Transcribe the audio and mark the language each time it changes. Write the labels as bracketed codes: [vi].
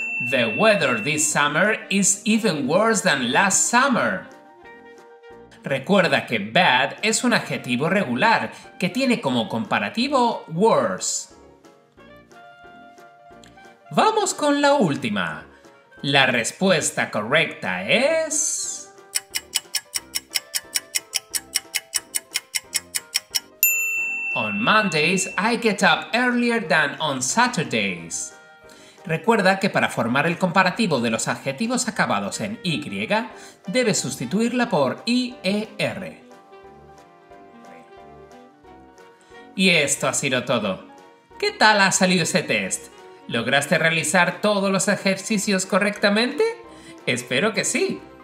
[en] The weather this summer is even worse than last summer. [es] Recuerda que bad es un adjetivo regular que tiene como comparativo worse. Vamos con la última. La respuesta correcta es... [en] On Mondays, I get up earlier than on Saturdays. [es] Recuerda que para formar el comparativo de los adjetivos acabados en Y, debes sustituirla por IER. Y esto ha sido todo. ¿Qué tal ha salido ese test? ¿Lograste realizar todos los ejercicios correctamente? Espero que sí.